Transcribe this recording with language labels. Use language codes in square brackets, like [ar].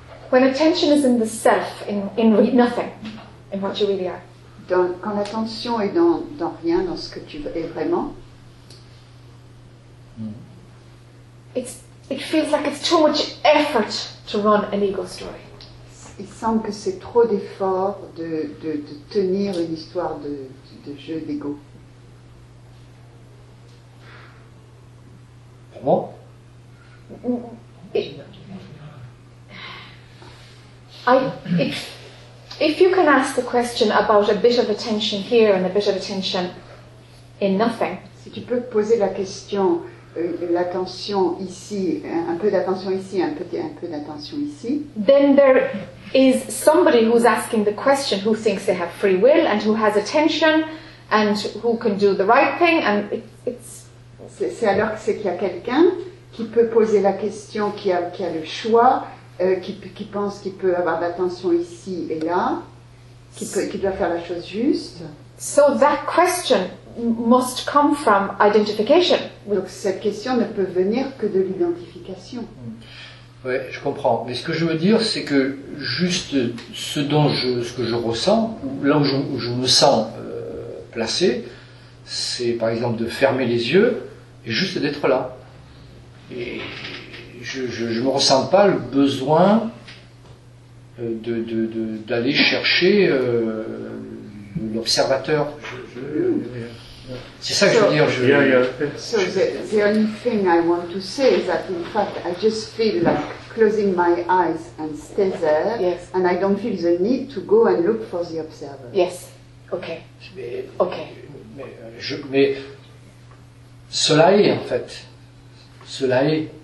[en] When attention is in the self, in nothing, in what you really are. [fr] Quand l'attention est dans rien, dans ce que tu es vraiment. [en] It feels like it's too much effort to run an ego story. [fr] Il semble que c'est trop d'effort de tenir une histoire de jeu d'ego. Pour moi? [en] If you can ask the question about a bit of attention here and a bit of attention in nothing. [fr] Si tu peux poser la question. L'attention ici, un peu d'attention ici, un peu d'attention ici. [en] Then there is somebody who's asking the question who thinks they have free will and who has attention and who can do the right thing. And it's. [fr] C'est alors que c'est qu'il y a quelqu'un qui peut poser la question, qui a le choix, qui pense qu'il peut avoir l'attention ici et là, qui doit faire la chose juste. [en] So that question. Must come from identification. [fr] Donc cette question ne peut venir que de l'identification. Mm. Oui, je comprends. Mais ce que je veux dire, c'est que juste ce que je ressens, là où je me sens placé, c'est par exemple de fermer les yeux et juste d'être là. Et je me ressens pas le besoin d'aller chercher l'observateur. C'est ça que je veux dire. [en] So the only thing I want to say is that in fact I just feel like closing my eyes and stay there, yes. And I don't feel the need to go and look for the observer. Yes. Okay. [fr] Mais cela est en fait. Cela est.